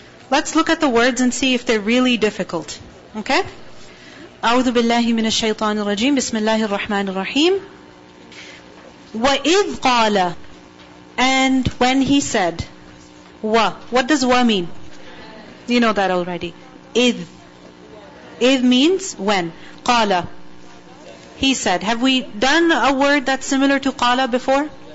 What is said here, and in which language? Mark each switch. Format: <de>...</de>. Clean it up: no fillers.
<en>Let's look at the words and see if they're really difficult. Okay?</en> <ar>أعوذ بالله من الشيطان الرجيم بسم الله الرحمن الرحيم. وَإِذْ قَالَ,</ar> <en>and when he said, wa, what does wa mean? You know that already.</en> <ar>إِذْ, إِذْ</ar> <en>means when. قَالَ, he said. Have we done a word that's similar to قَالَ before?</en>